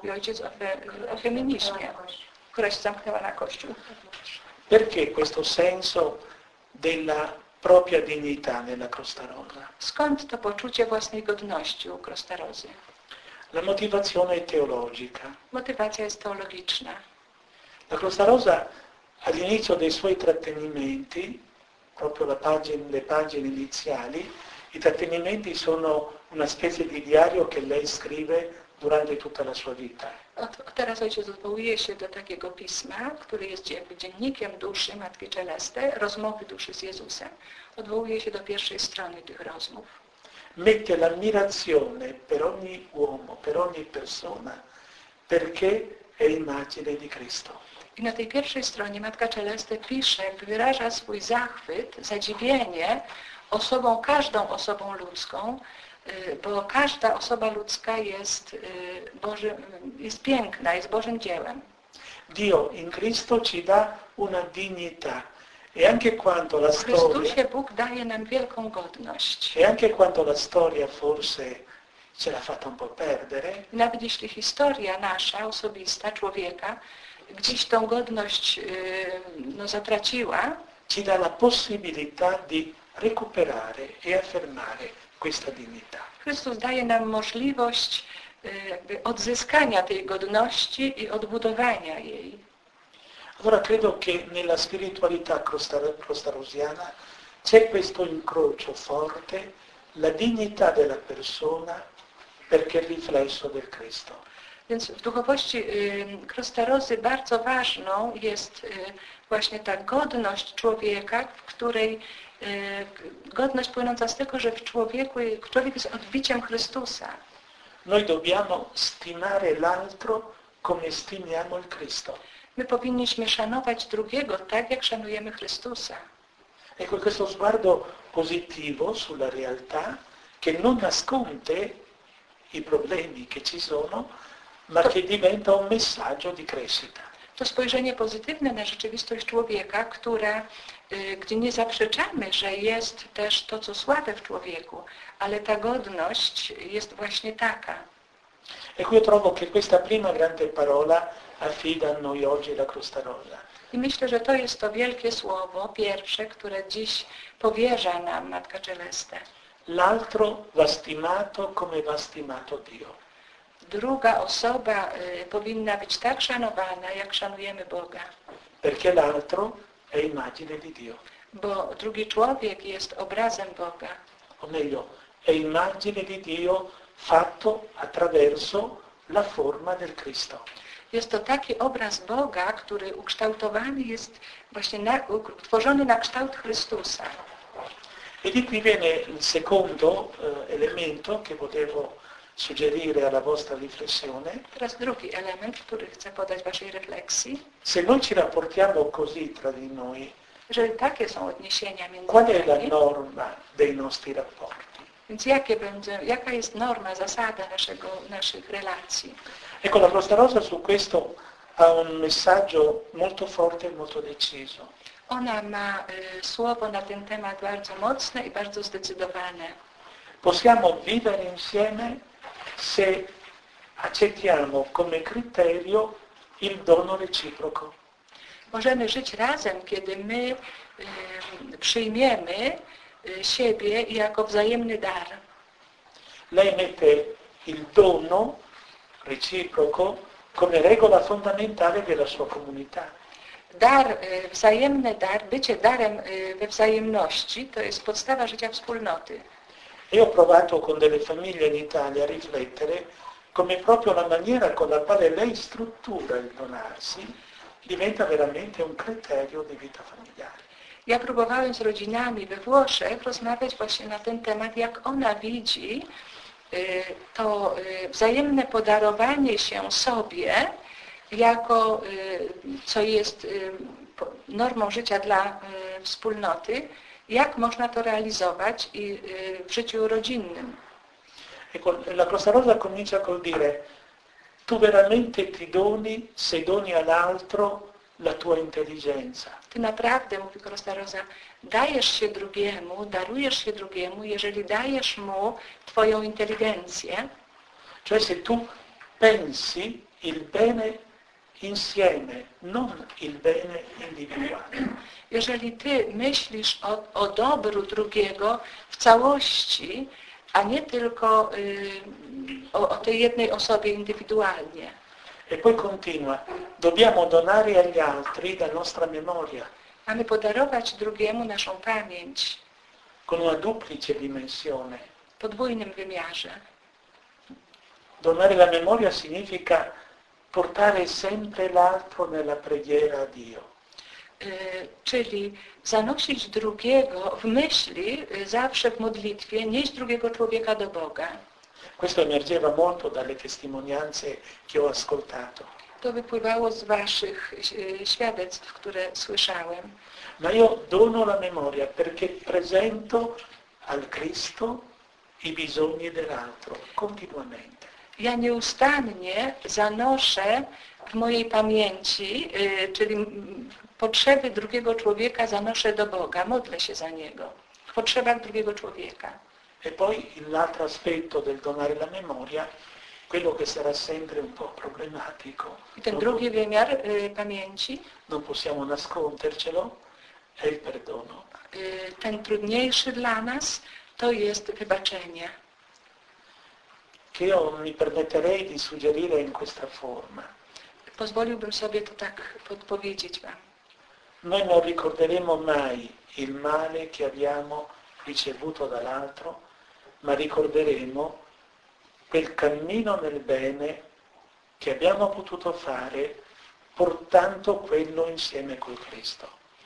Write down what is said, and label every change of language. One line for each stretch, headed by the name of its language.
Polish: Mówi ojciec o feminizmie, która się zamknęła na Kościół.
Italian: Perché questo senso della propria dignità nella Costa Rosa?
Polish: Skąd to poczucie własnej godności u Costa Rosy?
Italian: La motivazione è teologica.
Polish: Motywacja jest teologiczna.
Italian: La Costa Rosa all'inizio dei suoi trattenimenti, proprio le pagine iniziali, i trattenimenti sono una specie di diario che lei scrive durante tutta la sua vita.
Polish: Teraz ojciec odwołuje się do takiego pisma, który jest jakby dziennikiem duszy Matki Czelestej, rozmowy duszy z Jezusem. Odwołuje się do pierwszej strony tych rozmów.
Italian: Mette l'ammirazione per ogni uomo, per ogni persona, perché è immagine di Cristo.
Polish: I na tej pierwszej stronie Matka Czelestej pisze, wyraża swój zachwyt, zadziwienie osobą, każdą osobą ludzką, bo każda osoba ludzka jest Bożym, jest piękna, jest Bożym dziełem.
Italian: Dio in Cristo ci da una dignità. E anche quanto la storia,
Polish: w Chrystusie Bóg daje nam wielką godność.
Italian: E anche quanto la storia forse ce l'ha fatta un po' perdere.
Polish: Nawet jeśli historia nasza, osobista, człowieka, gdzieś tą godność zatraciła,
Italian: ci da la possibilità di recuperare e affermare questa dignità.
Polish: Chrystus daje nam możliwość jakby odzyskania tej godności i odbudowania jej.
Italian: Allora credo che nella spiritualità crostarosiana c'è questo incrocio forte, la dignità della persona perché è riflesso del Cristo.
Polish: Więc w duchowości crostarosy bardzo ważną jest właśnie ta godność człowieka, w której godność płynąca z tego, że człowiek jest odbiciem Chrystusa.
Italian: Noi dobbiamo stimare l'altro come stimiamo il Cristo.
Polish: My powinniśmy szanować drugiego tak, jak szanujemy Chrystusa.
Italian: Ecco questo sguardo positivo sulla realtà che non nasconde i problemi che ci sono, ma che diventa un messaggio di crescita.
Polish: To spojrzenie pozytywne na rzeczywistość człowieka, które, gdzie nie zaprzeczamy, że jest też to, co słabe w człowieku, ale ta godność jest właśnie taka.
Italian: Ecco, io trovo che questa prima grande parola affida a noi oggi la Costa Rosa.
Polish: I myślę, że to jest to wielkie słowo, pierwsze, które dziś powierza nam Matka Czeleste.
Italian: L'altro va stimato come va stimato Dio.
Polish: Druga osoba powinna być tak szanowana, jak szanujemy Boga.
Italian: Perché l'altro è immagine di Dio.
Polish: Bo drugi człowiek jest obrazem Boga.
Italian: O meglio, è immagine di Dio fatto attraverso la forma del Cristo.
Polish: Jest to taki obraz Boga, który ukształtowany jest właśnie tworzony na kształt Chrystusa.
Italian: E di qui viene il secondo elemento che potevo suggerire alla vostra riflessione.
Polish: Teraz drugi element, który chcę podać waszej refleksji.
Italian: Se noi ci rapportiamo così tra di noi,
Polish: jeżeli takie są odniesienia między
Italian: qual è la norma dei nostri rapporti?
Polish: Więc jaka jest norma, zasada naszych relacji?
Italian: Ecco, la Costa Rosa su questo ha un messaggio molto forte e molto deciso.
Polish: Ona ma słowo na ten temat bardzo mocne i bardzo zdecydowane.
Italian: Possiamo vivere insieme se accettiamo come criterio il dono reciproco.
Polish: Możemy żyć razem, kiedy my przyjmiemy siebie jako wzajemny dar.
Italian: Lei mette il dono reciproco come regola fondamentale della sua comunità.
Polish: Dar, wzajemny dar, bycie darem we wzajemności, to jest podstawa życia wspólnoty.
Italian: Io ho provato con delle famiglie in Italia a riflettere come proprio la maniera con la quale lei struttura il donarsi diventa veramente un criterio di vita familiare.
Polish: Ja próbowałem z rodzinami we Włoszech rozmawiać właśnie na ten temat, jak ona widzi to wzajemne podarowanie się sobie jako co jest normą życia dla wspólnoty, jak można to realizować i w życiu rodzinnym.
Italian: Ecco, la Costa Rosa comincia col dire tu veramente ti doni se doni all'altro la tua intelligenza.
Polish: Ty naprawdę, mówi Costa Rosa, dajesz się drugiemu, darujesz się drugiemu, jeżeli dajesz mu twoją inteligencję.
Italian: Cioè se tu pensi il bene insieme, non il bene individuale.
Polish: Jeżeli ty myślisz o dobru drugiego w całości, a nie tylko o tej jednej osobie indywidualnie.
Italian: E poi continua. Dobbiamo donare agli altri la nostra memoria.
Polish: Mamy podarować drugiemu naszą pamięć.
Italian: Con una duplice dimensione.
Polish: W podwójnym wymiarze.
Italian: Donare la memoria significa portare sempre l'altro nella preghiera a Dio.
Polish: Czyli zanosić drugiego w myśli, zawsze w modlitwie, nieść drugiego człowieka do Boga.
Italian: Questo emergeva molto dalle testimonianze che ho ascoltato.
Polish: To wypływało z waszych świadectw, które słyszałem.
Italian: Ma io dono la memoria perché presento al Cristo i bisogni dell'altro continuamente.
Polish: Ja nieustannie zanoszę w mojej pamięci, czyli potrzeby drugiego człowieka zanoszę do Boga, modlę się za niego, w potrzebach drugiego człowieka.
Italian: E poi l'altro aspetto del donare la memoria, quello che sarà sempre un po' problematico.
Polish: I ten drugi wymiar pamięci,
Italian: non possiamo nascondercelo, è il perdono.
Polish: Ten trudniejszy dla nas to jest wybaczenie.
Italian: Che io mi permetterei di suggerire in questa forma.
Polish: Pozwoliłbym sobie to tak podpowiedzieć wam.
Italian: Noi non ricorderemo mai il male che abbiamo ricevuto dall'altro, ma ricorderemo quel cammino nel bene che abbiamo potuto fare portando quello insieme col Cristo.